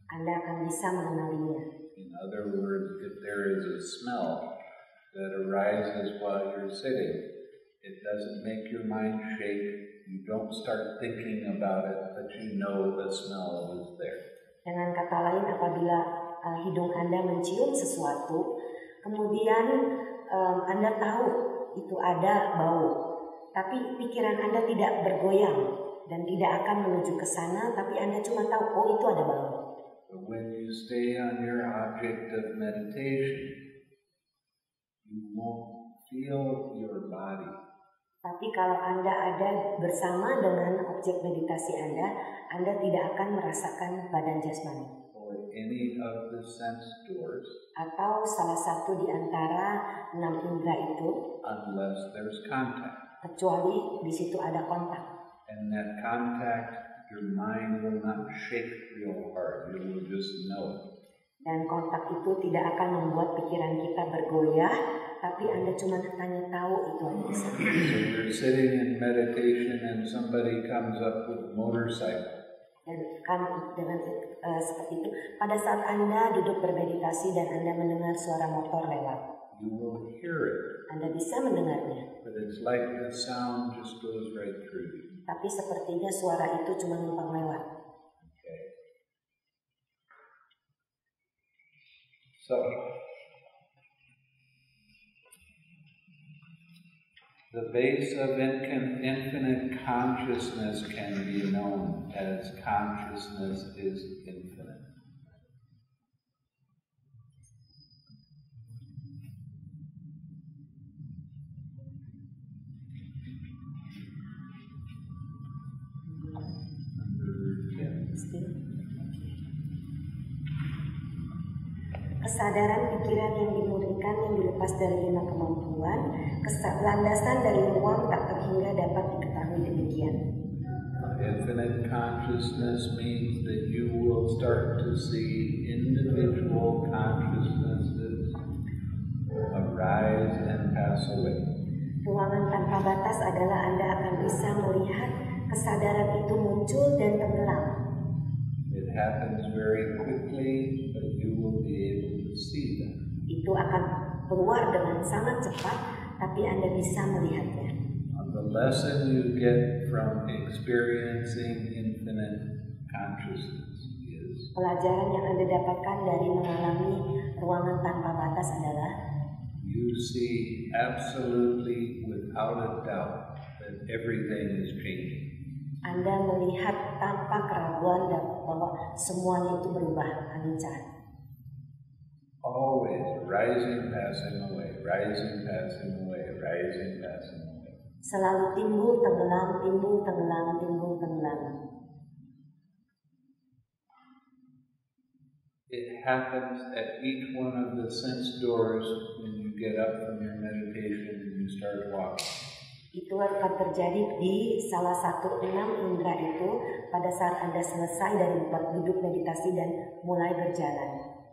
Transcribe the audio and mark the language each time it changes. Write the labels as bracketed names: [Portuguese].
[Indonesian] Anda akan bisa mengenalinya. [English] In other words, if there is a smell that arises while you're sitting, it doesn't make your mind shake. You don't start thinking about it, but you know the smell is there. [Indonesian] Dengan kata lain, apabila hidung Anda mencium sesuatu, kemudian Anda tahu itu ada bau, tapi pikiran Anda tidak bergoyang dan tidak akan menuju ke sana, tapi Anda cuma tahu, oh itu ada bau. [English] When you stay on your object of meditation, you won't feel your body. [Indonesian] Tapi kalau Anda ada bersama dengan objek meditasi Anda, Anda tidak akan merasakan badan jasmani. [English] Or any of the sense doors. [Indonesian] Atau salah satu di antara enam indera itu. [English] Unless there's contact. [Indonesian] Kecuali di situ ada kontak. [English] And that contact, your mind will not shake real hard. You will just know it. [Indonesian] Dan kontak itu tidak akan membuat pikiran kita bergoyah, tapi Anda cuma hanya tahu itu aja. [English] So you're sitting in meditation and somebody comes up with a motorcycle. [Indonesian] Dan kan dengan seperti itu, pada saat Anda duduk bermeditasi dan Anda mendengar suara motor lewat. [English] You will hear it. [Indonesian] Anda bisa mendengarnya. [English] But it's like the sound just goes right through you. [Indonesian] Tapi sepertinya suara itu cuma numpang lewat. [English] Okay. So, the base of infinite consciousness can be known as consciousness is infinite. [Indonesian] Kesadaran pikiran yang dimurnikan yang dilepas dari lima kemampuan, landasan dari ruang tak terhingga dapat diketahui demikian. [English] Infinite consciousness means that you will start to see individual consciousnesses arise and pass away. [Indonesian] Ruangan tanpa batas adalah Anda akan bisa melihat kesadaran itu muncul dan tenggelam. [English] It happens very quickly, but you will be able to see that. [Indonesian] Itu akan keluar dengan sangat cepat, tapi Anda bisa melihatnya. [English] And the lesson you get from experiencing infinite consciousness is. [Indonesian] Pelajaran yang Anda dapatkan dari mengalami ruangan tanpa batas adalah. [English] You see absolutely without a doubt that everything is changing. [Indonesian] Anda melihat tanpa keraguan dan bahwa semuanya itu berubah, anjir. [English] Always rising, passing away, rising, passing away, rising, passing away. [Indonesian] Selalu timbul, tenggelam, timbul, tenggelam, timbul, tenggelam. [English] It happens at each one of the sense doors when you get up from your meditation and you start walking. [Indonesian] Itu akan terjadi di salah satu enam indera itu pada saat Anda selesai dari duduk meditasi dan mulai berjalan.